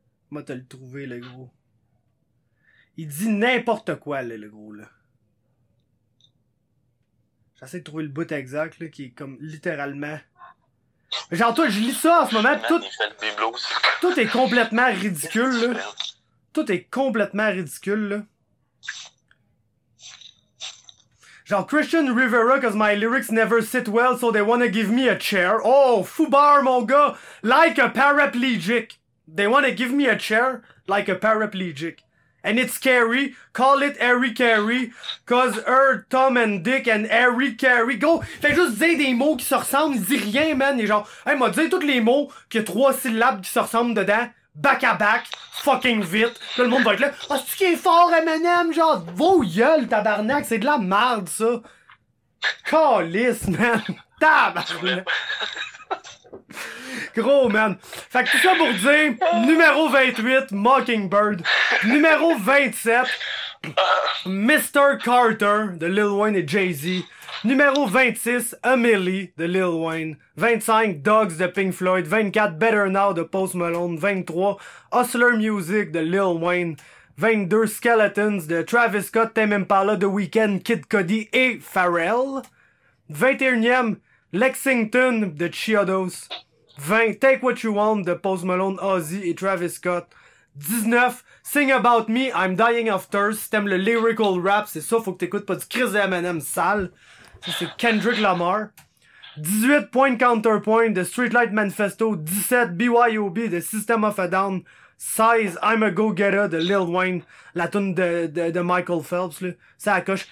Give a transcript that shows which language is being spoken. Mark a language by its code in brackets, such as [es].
[fr] Moi, t'as le trouvé, le gros. Il dit n'importe quoi, là, le gros, là. J'essaie de trouver le bout exact, là, qui est comme littéralement. Genre, toi, je lis ça en ce moment, pis tout est complètement ridicule, là. Tout est complètement ridicule, là. [en] Genre, Christian Rivera, cause my lyrics never sit well, so they wanna give me a chair. Oh, foubar, [fr] mon gars! [en] Like a paraplegic. They wanna give me a chair, like a paraplegic. And it's scary, call it Harry Carey, cause her, Tom and Dick, and Harry Carey. Go! [fr] Fait juste dire des mots qui se ressemblent, il dit rien, man. Et genre, hey, m'a dit tous les mots qui a trois syllabes qui se ressemblent dedans. Back à back, fucking vite. Tout le monde va être là. Ah, oh, c'est-tu qui est fort, Eminem? Genre, vos gueules, tabarnak, c'est de la merde, ça. Calisse, man. Tabarnak. Gros, man. Fait que tout ça pour dire, numéro 28, Mockingbird. Numéro 27, Mr. Carter de Lil Wayne et Jay-Z. Numéro 26, Amélie de Lil Wayne. 25, Dogs de Pink Floyd. 24, Better Now de Post Malone. 23, Hustler Music de Lil Wayne. 22, Skeletons de Travis Scott, Tame Impala, The Weeknd, Kid Cudi et Pharrell. 21e, Lexington de Chiodos. 20, Take What You Want de Post Malone, Ozzy et Travis Scott. 19, Sing About Me, I'm Dying of Thirst. Si t'aimes le lyrical rap, c'est ça, faut que t'écoutes pas du Chris de Eminem sale. C'est Kendrick Lamar. 18, Point Counterpoint de Streetlight Manifesto. 17, BYOB de System of a Down. 16, I'm a Go-Getter de Lil Wayne. La toune de Michael Phelps, là. Ça accroche.